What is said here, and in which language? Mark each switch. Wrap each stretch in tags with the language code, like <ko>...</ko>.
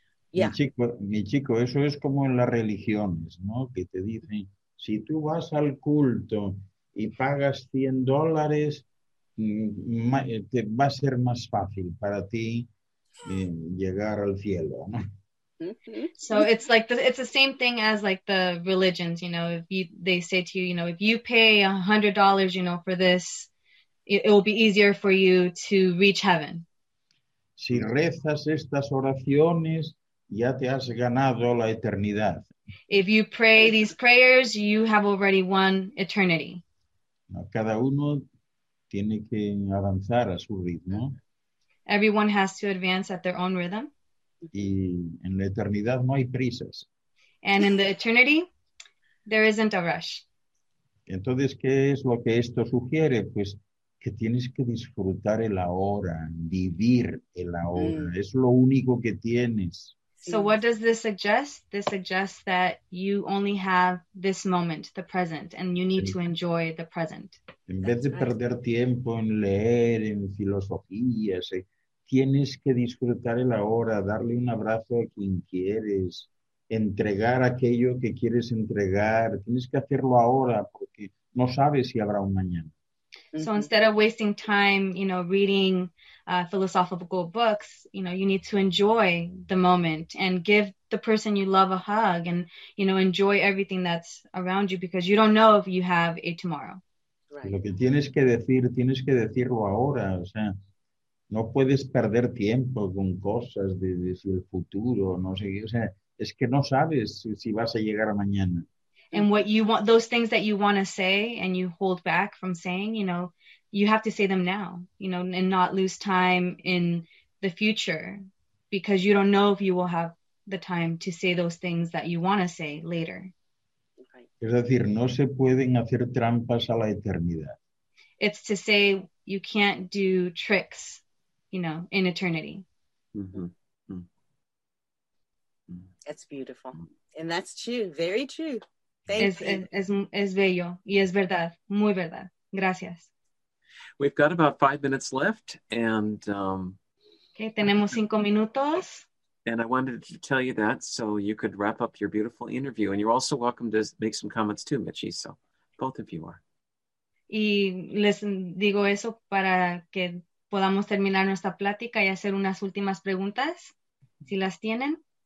<en>Yeah.</en> <es>Mi chico, eso es como en las religiones, ¿no? Que te dicen, si tú vas al culto y pagas $100, te va a ser más fácil para ti llegar al cielo, ¿no?</es> <en>So it's like it's the same thing as like the religions, you know, they say to you, you know, if you pay $100, you know, for this, it will be easier for you to reach heaven.</en> <es>Si rezas estas oraciones, ya te has ganado la eternidad.</es> <en>If you pray these prayers, you have already won eternity.</en> <es>Cada uno tiene que avanzar a su ritmo.</es> <en>Everyone has to advance at their own rhythm.</en> <es>Y en la eternidad no hay prisas.</es> <en>And in the eternity, there isn't a rush.</en> <es>Entonces, ¿qué es lo que esto sugiere? Pues que tienes que disfrutar el ahora, vivir el ahora. Mm. Es lo único que tienes.</es> <en>So what does this suggest? This suggests that you only have this moment, the present, and you need to enjoy the present.</en> <es>En vez de perder tiempo en leer, en filosofías, tienes que disfrutar el ahora, darle un abrazo a quien quieres, entregar aquello que quieres entregar. Tienes que hacerlo ahora porque no sabes si habrá un mañana.</es> <en>So instead of wasting time, you know, reading philosophical books, you know, you need to enjoy the moment and give the person you love a hug and, you know, enjoy everything that's around you because you don't know if you have a tomorrow. Right.</en> <es>Lo que tienes que decirlo ahora, o sea, no puedes perder tiempo con cosas de si el futuro, no sé, o sea, es que no sabes si vas a llegar mañana.</es> <en>And what you want, those things that you want to say and you hold back from saying, you know, you have to say them now, you know, and not lose time in the future because you don't know if you will have the time to say those things that you want to say later.</en> <es>Es decir, no se pueden hacer trampas a la eternidad.</es> <en>It's to say you can't do tricks, you know, in eternity. Mm-hmm. That's beautiful. And that's true. Very true. Thank</en> <es>es bello. Y es verdad. Muy verdad. Gracias.</es> <en>We've got about 5 minutes left. And</en> <es>okay, tenemos 5 minutos.</es> <en>And I wanted to tell you that so you could wrap up your beautiful interview. And you're also welcome to make some comments too, Michi. So both of you are.</en> <es>Y les digo eso para que podamos terminar nuestra plática y hacer unas últimas preguntas, si las tienen.</es>